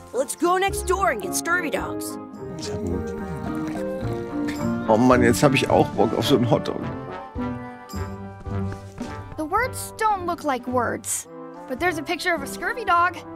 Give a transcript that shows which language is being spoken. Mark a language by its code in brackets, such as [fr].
[en] Let's go next door and get scurvy dogs. [de] Oh Mann, jetzt habe ich auch Bock auf so einen Hotdog. [en] The words don't look like words, but there's a picture of a scurvy dog.